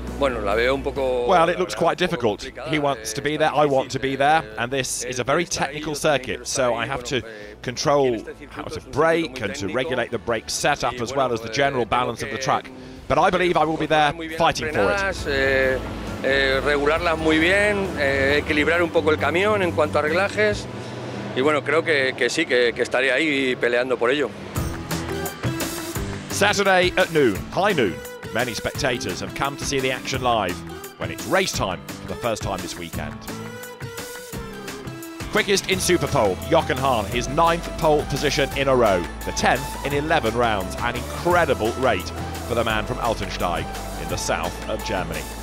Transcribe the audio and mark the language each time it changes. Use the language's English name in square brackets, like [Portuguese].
[English] Well, it looks quite difficult. He wants to be there, I want to be there, and this is a very technical circuit, so I have to control how to brake and to regulate the brake setup as well as the general balance of the track. But I believe I will be there fighting for it. [Spanish] regularlas muy bien, equilibrar un poco el camión en cuanto a reglajes. Y bueno, creo que sí, que estaré ahí peleando por ello. [English] Saturday at noon, high noon. Many spectators have come to see the action live when it's race time for the first time this weekend. Quickest in Superpole, Jochen Hahn, his 9th pole position in a row, the 10th in 11 rounds, an incredible rate for the man from Altensteig in the south of Germany.